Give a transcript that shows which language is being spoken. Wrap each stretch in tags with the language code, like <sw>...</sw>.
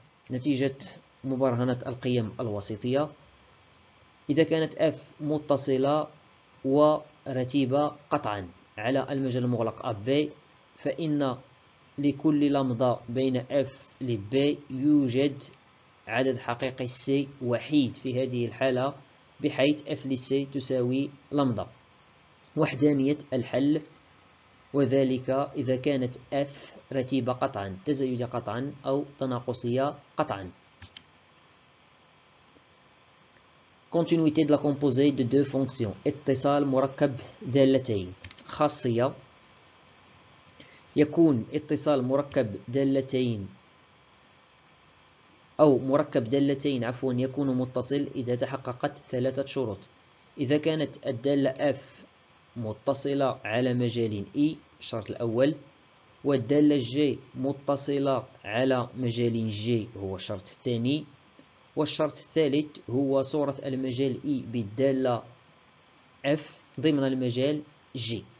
<ar>نتيجة مبرهنة القيم الوسيطية، إذا كانت F متصلة ورتيبة قطعا على المجال المغلق AB فإن لكل لمضة بين F ل B يوجد عدد حقيقي C وحيد في هذه الحالة، بحيث F ل C تساوي لمضة. وحدانية الحل، وذلك إذا كانت F رتيبة قطعا تزايدية قطعا أو تناقصية قطعا.</ar> <fr>continuité de la composée de deux fonctions،</fr> <ar>اتصال مركب دالتين. خاصية، يكون اتصال مركب دالتين أو مركب دالتين عفوا يكون متصل إذا تحققت ثلاثة شروط. إذا كانت الدالة F متصلة على مجالين E الشرط الأول، والدالة G متصلة على مجالين G هو الشرط الثاني، والشرط الثالث هو صورة المجال E بالدالة F ضمن المجال G.</ar>